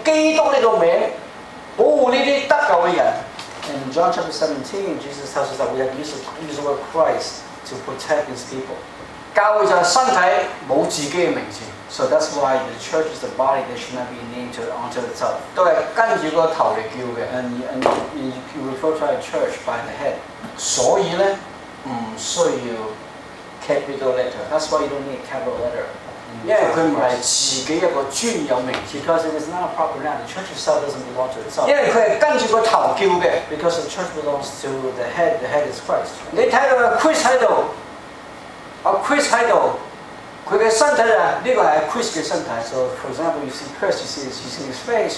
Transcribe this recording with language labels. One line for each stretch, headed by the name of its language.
Cantonese: 我仲发现约翰福音17:6开始嗰度，耶稣话要用基督呢个名保护呢啲得救嘅人。
English: In John chapter 17, Jesus tells us that we have use the word Christ. To protect His people,
Cantonese: 教会就系身体，冇自己嘅名字。
English: So that's why the church is the body; they should not be named onto itself.
Cantonese: 都系跟住个头嚟叫嘅。
English: And you refer to a church by the head.
Cantonese: 所以咧，唔需要 capital letter.
English: That's why you don't need capital letter.
Cantonese: 因为佢唔系自己一个专有名字。
English: Because it is not a proper name. The church itself doesn't belong to itself.
Cantonese: 因为佢系跟住个头叫嘅。
English: Because the church belongs to the head. The head is Christ.
Cantonese: 你睇到 Chris 喺度，啊 Chris 喺度，佢嘅身体啊，呢个系 Chris 嘅身体。
English: So for example, you see Chris, you see his face.